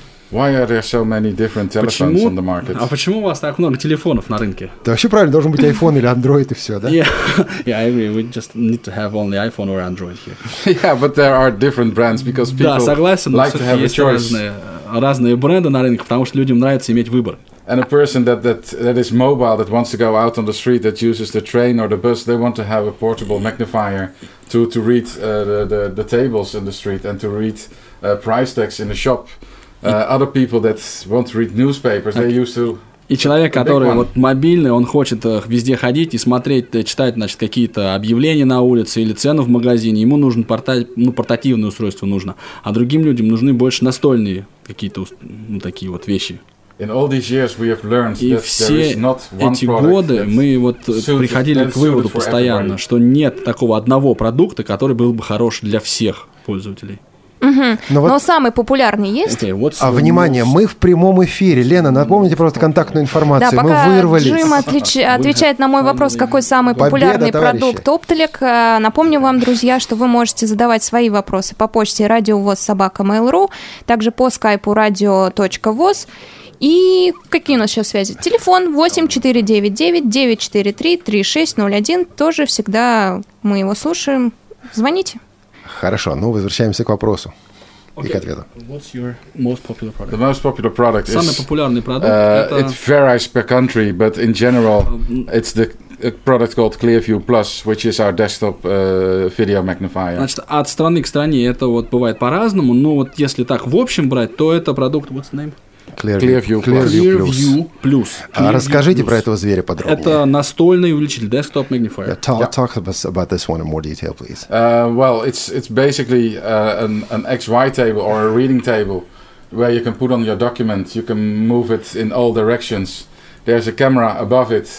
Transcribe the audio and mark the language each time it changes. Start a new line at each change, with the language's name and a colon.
English: Why are there so many different telephones
Russian: почему?
English: On the market?
Russian: А почему у вас так много телефонов на рынке? Да вообще правильно, должен быть iPhone или Android и все, да?
English: Yeah, I agree. We just need to have only iPhone or Android here. Yeah, but there are different brands because people
Russian: да, согласен,
English: like to have a choice.
Russian: Разные, разные бренды на рынке, потому что людям нравится иметь выбор.
English: And a person that is mobile, that wants to go out on the street, that uses the train or the bus, they want to have a portable magnifier to read the tables in the street and to read price tags in the shop. Other people that want to read newspapers, okay. They used to...
Russian: И человек, который вот мобильный, он хочет везде ходить и смотреть, читать, значит, какие-то объявления на улице или цены в магазине. Ему нужно портативное устройство нужно, а другим людям нужны больше настольные какие-то такие вот вещи.
English: In all these years we have learned
Russian: и все эти годы мы вот приходили к выводу постоянно, что нет такого одного продукта, который был бы хорош для всех пользователей. Но вот... самый популярный есть. Okay, внимание, мы в прямом эфире. Лена, напомните, просто контактную информацию. Да, пока мы вырвались. Джим отвечает на мой вопрос, какой самый популярный продукт Optelec. Напомню вам, друзья, что вы можете задавать свои вопросы по почте radiovoz@mail.ru, также по скайпу radio.voz. И какие у нас сейчас связи? Телефон 8-499-943-3601. Тоже всегда мы его слушаем. Звоните. Хорошо, ну возвращаемся к вопросу и к ответу.
English: What's your most popular product? The most popular product
Russian: самый популярный продукт это...
English: It varies per country, but in general it's the product called Clearview Plus, which is our desktop video magnifier.
Russian: Значит, от страны к стране это вот бывает по-разному, но вот если так в общем брать, то это продукт...
English: What's the name? Clearview Plus.
Russian: Расскажите про этого зверя подробнее. Это настольный увеличитель, desktop magnifier.
English: Yeah, talk to us about this one in more detail, please. Well, it's basically an XY table or a reading table where you can put on your document, you can move it in all directions. There's a camera above it.